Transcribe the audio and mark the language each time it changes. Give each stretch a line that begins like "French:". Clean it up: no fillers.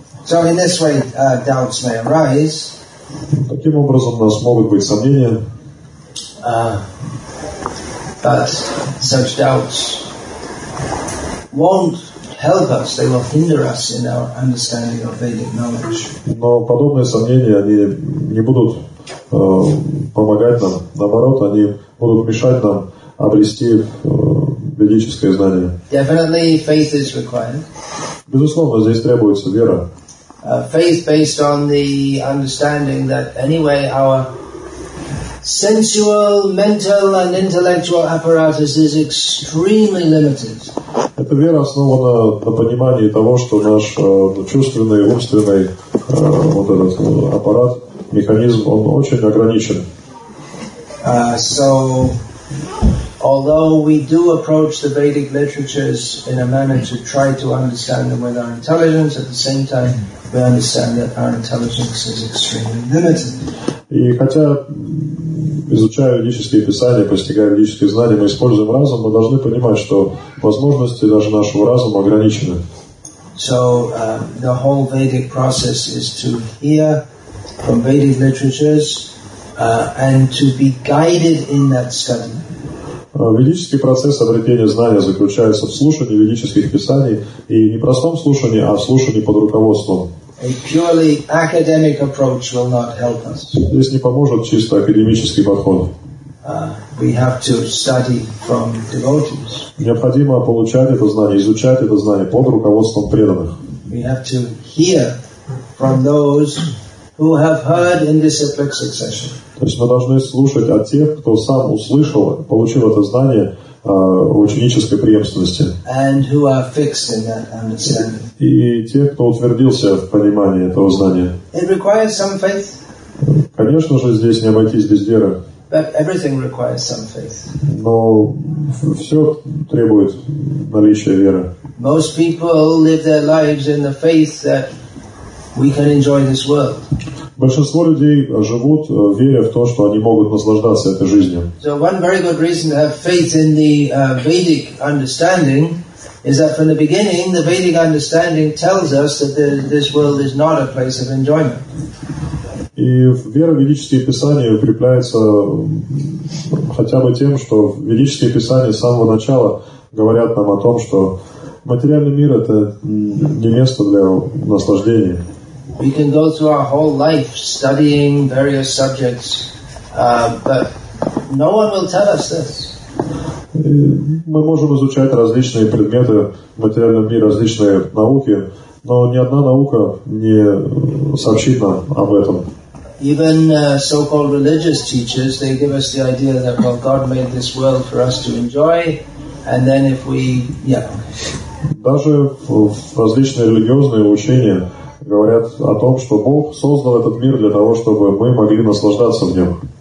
English: So in this way, doubts may arise.
Russian: Таким образом, у нас могут быть сомнения.
English: But such doubts won't help us. They will hinder us in our understanding of Vedic knowledge.
Russian: Но подобные сомнения, они не будут помогать нам. Наоборот, они будут мешать нам обрести ведическое знание.
English: Definitely faith is required.
Russian: Безусловно, здесь требуется вера.
English: Faith based on the understanding that anyway our sensual, mental and intellectual apparatus is extremely limited.
Russian: Эта вера основана на понимании того, что наш чувственный, умственный вот этот аппарат, механизм, он очень ограничен.
English: So although we do approach the Vedic literatures in a manner to try to understand them with our intelligence, at the same time we understand that our intelligence is extremely limited.
Russian: И хотя изучая ведические писания, постигая ведические знания, мы используем разум, мы должны понимать, что возможности даже нашего разума ограничены.
English: So the whole Vedic process is to hear from Vedic literatures and to be guided in that study.
Russian: Ведический процесс обретения знания заключается в слушании ведических писаний, и не в простом слушании, а в слушании под руководством.
English: A purely academic approach will not help us.
Russian: Здесь не поможет чисто академический подход.
English: We have to study from devotees.
Russian: Необходимо получать это знание, изучать это знание под руководством преданных.
English: We have to hear from those who have heard in disciplic succession.
Russian: То есть мы должны слушать от тех, кто сам услышал, получил это знание в ученической преемственности.
English: And who are fixed in that understanding.
Russian: И те, кто утвердился в понимании этого знания.
English: It requires some faith.
Russian: Конечно же, здесь не обойтись без веры.
English: But everything requires some faith.
Russian: Но все требует наличия веры.
English: Most people live their lives in the faith that we can enjoy this world.
Russian: Большинство людей живут, веря в то, что они могут наслаждаться этой жизнью.
English: So one very good reason to have faith in the Vedic understanding is that from the beginning, the Vedic understanding tells us that this world is not a place of enjoyment.
Russian: И вера в ведические писания укрепляется хотя бы тем, что ведические писания с самого начала говорят нам о том, что материальный мир — это не место для наслаждения.
English: We can go through our whole life studying various subjects, but no one will tell us this.
Russian: Мы можем изучать различные предметы в материальном мире, различные науки, но ни одна наука не сообщит нам об этом.
English: Even so-called religious teachers, they give us the idea that, well, God made this world for us to enjoy, and then if we,
Russian: Даже различные религиозные учения говорят о том, что Бог создал этот мир для того, чтобы мы могли наслаждаться в нем.